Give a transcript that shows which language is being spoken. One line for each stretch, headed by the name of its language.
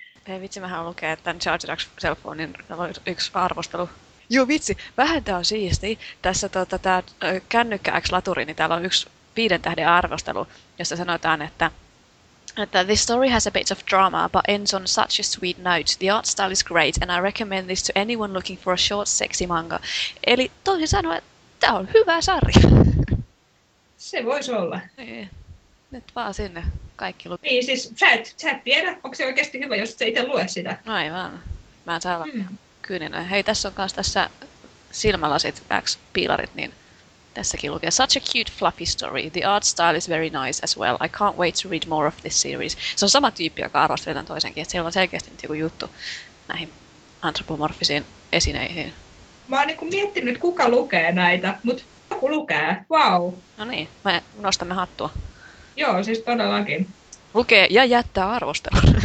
Finnish: Hei vitsi, mähän lukee tämän Charged X Cellphonein yksi arvostelu. Joo vitsi, vähän tämä on siisti. Tässä tämä kännykkää X-laturi, niin täällä on yksi 5 tähden arvostelu, jossa sanotaan, että
English: this story has a bit of drama, but ends on such a sweet note. The art style is great, and I recommend this to anyone looking for a short, sexy manga.
Finnish: Eli toisin sanoen, tämä on hyvä sarja. Se voisi olla. Nyt vaan sinne kaikki lukee. Niin, siis sä et tiedä, onko se oikeasti hyvä, jos sä itse lue sitä. No ei vaan. Mä en saa olla kyyninen. Hei, tässä on kanssa tässä silmälasit, X-piilarit, niin tässäkin lukee,
English: such a cute fluffy story. The art style is very nice as well. I can't wait to read more of this series.
Finnish: Se on sama tyyppi, joka arvostelee tämän toisenkin, että siellä on selkeästi nyt joku juttu näihin antropomorfisiin esineihin. Mä oon niinku miettinyt, kuka lukee näitä, mutta joku lukee. Vau. Wow. No niin, me nostamme hattua. Joo, siis todellakin. Lukee ja jättää arvostelun.